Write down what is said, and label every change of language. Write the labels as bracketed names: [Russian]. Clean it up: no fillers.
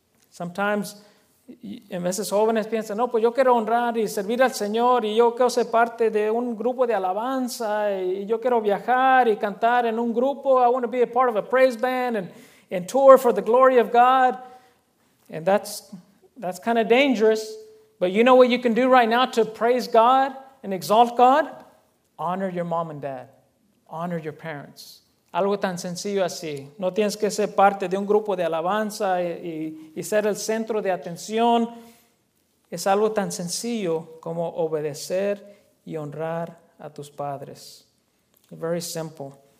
[Spanish] Sometimes, en veces jóvenes piensan, no, pues yo quiero honrar y servir al Señor y yo quiero ser parte de un grupo de alabanza y yo quiero viajar y cantar en un grupo. [English] I want to be a part of a praise band and tour for the glory of God. And that's kind of dangerous. But you know what you can do right now to praise God and exalt God? Honor your mom and dad. Honor your parents. [Spanish] Algo tan sencillo así. No tienes que ser parte de un grupo de alabanza y ser el centro de atención. Es algo tan sencillo como obedecer y honrar a tus padres. [English] Very simple.